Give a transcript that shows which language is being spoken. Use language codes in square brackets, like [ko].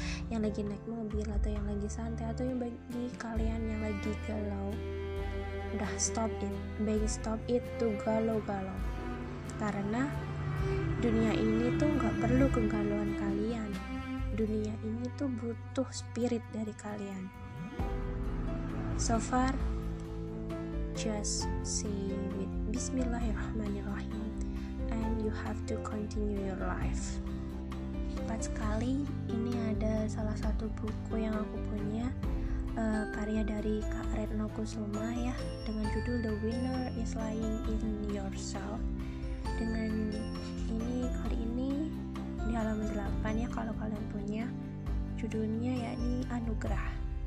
[id] Yang lagi naik mobil, atau yang lagi santai, atau yang bagi kalian yang lagi galau, udah [en] stop it, baby, stop it to [id] galau-galau. Karena dunia ini tuh gak perlu kegalauan kalian. Dunia ini tuh butuh spirit dari kalian. [en] So far, just say with Bismillahirrahmanirrahim and you have to continue your life. [id] Tepat sekali, ini ada salah satu buku yang aku punya, karya dari Kak Retno Kusuma ya, dengan judul The Winner is Lying in Yourself. Dengan ini, kali ini di halaman 8 ya, kalau kalian punya, judulnya yakni Anugerah.